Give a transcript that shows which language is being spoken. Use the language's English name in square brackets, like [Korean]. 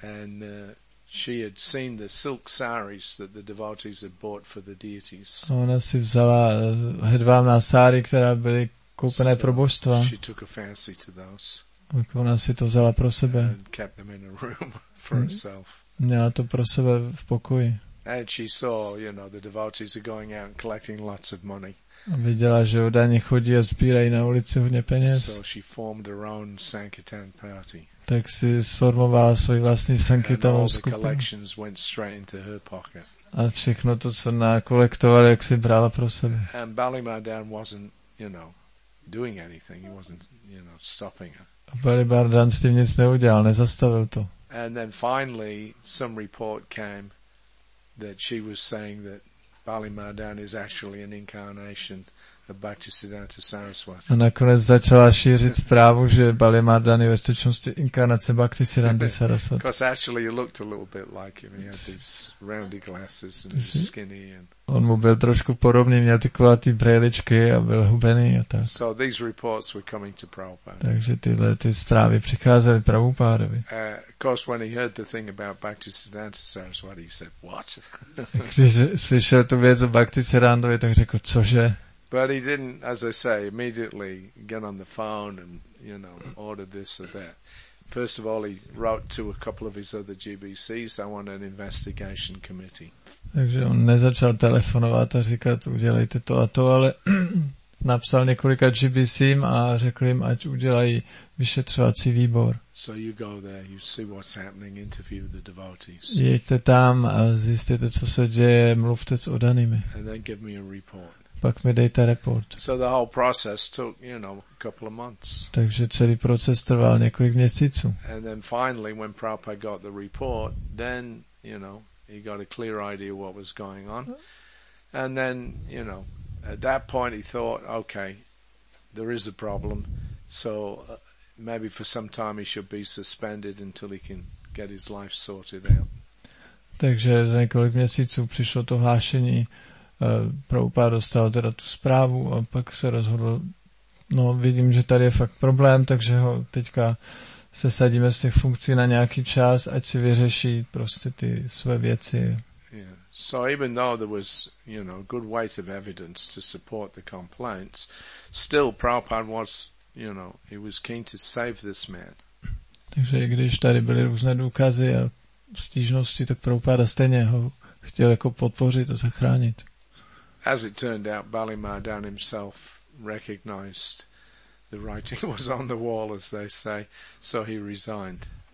[English] And she had seen the silk saris that the devotees had bought for the deities. [Czech] A ona si vzala hedvábná sáry, která byly koupené pro božstva. [English] She took a fancy to those. [Czech] Ona si to vzala pro sebe. [English] And kept them in a room. For herself. [Czech] Měla to pro sebe v pokoji. [English] And she saw, you know, the devotees are going out and collecting lots of money. [Czech] A viděla, že oddaní chodí a sbírají na ulici hodně peněz. [English] So she formed her own Sankirtan party. [Czech] Tak si sformovala svůj vlastní Sankirtanovou skupinu. [English] And all the collections went straight into her pocket. [Czech] A všechno to, co nakolektovala, jak si brala pro sebe. [English] And Balimardhan wasn't, you know, doing anything. He wasn't, you know, stopping her. [Czech] A Balimardhan s tím nic neudělal, nezastavil to. [English] And then finally, some report came that she was saying that Balimardhan is actually an incarnation of Bhaktisiddhanta Saraswati. [Czech] A nakonec začala šířit zprávu, že Balimardhan je ve skutečnosti inkarnace Bhaktisiddhanta Saraswati. [English] Because actually he looked a little bit like him. He had these roundy glasses and he was skinny. And [Czech] on mu byl trošku podobný, měl ty kulatý brejličky a byl hubený a tak. [English] So these reports were coming to Prabhupada. [Czech] Takže tyhle ty zprávy přicházely Prabhupádovi. [English] Of course, when he heard the thing about Bhaktisiddhanta Saraswati, he said, what? [Czech] Když slyšel tu věc o Bhaktisiddhantovi, tak řekl, cože? [English] But he didn't, as I say, immediately get on the phone and, you know, order this or that. First of all, he wrote to a couple of his other GBCs, I want an investigation committee. [Czech] Takže on nezačal telefonovat a říkat, udělejte to a to, ale napsal několika GBCím a řekl jim, ať udělají vyšetřovací výbor. [English] So you go there, you see what's happening, interview the devotees. [Czech] Jeďte tam a zjistěte, co se děje, mluvte s oddanými. [English] And then give me a report. [Czech] Pak mi dejte report. [English] So the whole process took, you know, a couple of months. [Czech] Takže celý proces trval několik měsíců. [English] And then finally, when Prabhupada got the report, then, you know, he got a clear idea what was going on. And then, you know, at that point he thought, okay, there is a problem. So maybe for some time he should be suspended until he can get his life sorted out. [Czech] Takže za několik měsíců přišlo to hlášení. Prabhupada dostal teda tu zprávu a pak se rozhodl, no vidím, že tady je fakt problém, takže ho teďka sesadíme z těch funkcí na nějaký čas, ať si vyřeší prostě ty své věci. [English] Yeah. So even though there was, you know, good weight of evidence to support the complaints, still Prabhupada was, you know, he was keen to save this man. [Czech] Takže i když tady byly různé důkazy a stížnosti, tak Prabhupada stejně ho chtěl jako podpořit a zachránit. [English] As it turned out, Bali Mardan himself recognized the writing was on the wall, as they say, so he resigned.